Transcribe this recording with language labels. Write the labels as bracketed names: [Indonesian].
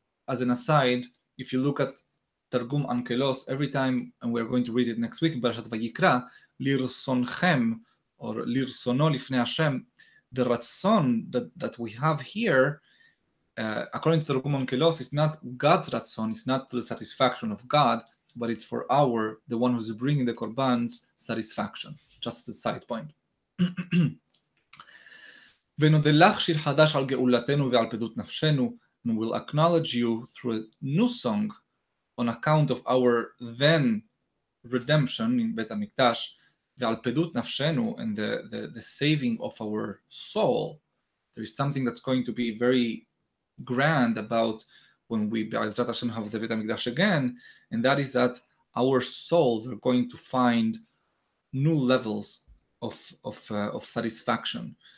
[English] As an aside, if you look at Targum Ankelos, every time, and we're going to read it next week, Barashat Vayikra, Lirsonchem, or [Hebrew] Lirsono Lifnei Hashem, [English] the Ratzon that we have here, according to Targum Ankelos, is not God's Ratzon, it's not to the satisfaction of God, but it's for our, the one who's bringing the Korban's satisfaction. Just a side point. [Hebrew] ונודה לך שיר חדש על גאולתנו ועל פדות נפשנו, [English] and will acknowledge you through a new song on account of our then redemption in Bet HaMikdash, [Hebrew] ve'alpedut nafshenu, [English] and the saving of our soul. There is something that's going to be very grand about when we Be'ezrat Hashem have the Bet HaMikdash again, and that is that our souls are going to find new levels of satisfaction.